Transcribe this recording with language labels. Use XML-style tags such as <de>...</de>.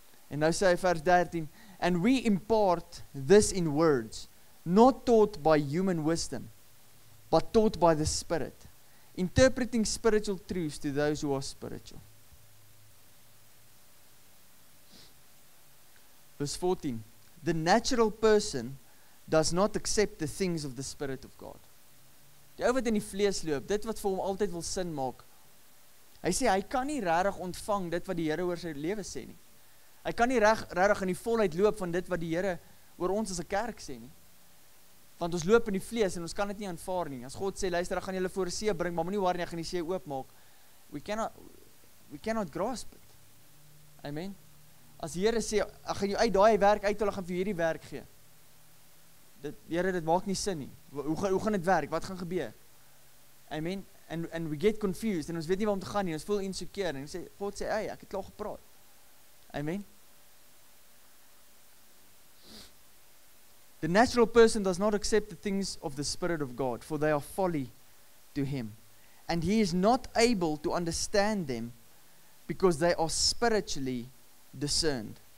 <en>And now say verse 13. And we impart this in words, not taught by human wisdom, but taught by the Spirit, interpreting spiritual truths to those who are spiritual. Verse 14, the natural person does not accept the things of the Spirit of God.</en> <af>Die ou wat in die vlees loop, dit wat vir hom altyd wil sin maak, hy sê, hy kan nie regtig ontvang dit wat die Here oor sy lewe sê nie. Hy kan nie regtig in die volheid loop van dit wat die Here oor ons as 'n kerk sê nie. Want ons loop in die vlees en ons kan dit nie aanvaar nie. As God sê, luister, ek gaan julle voor die see bring, maar moenie waar nie, ek gaan die see oopmaak.</af> <en>We cannot grasp it. Amen.</en> <af>As die Here sê, ek gaan jou uit daai werk uit, hulle gaan vir hierdie werk gee. Dit, die Here, dit maak nie sin nie. Hoe gaan dit werk? Wat gaan gebeur? Amen.</af> <en>And we get confused,</en> <af>en ons weet nie waar om te gaan nie, ons voel insecure, en God sê, hey, ek het al gepraat. Amen.</af> <en>The natural person does not accept the things of the Spirit of God, for they are folly to him. And he is not able to understand them, because they are spiritually discerned.</en>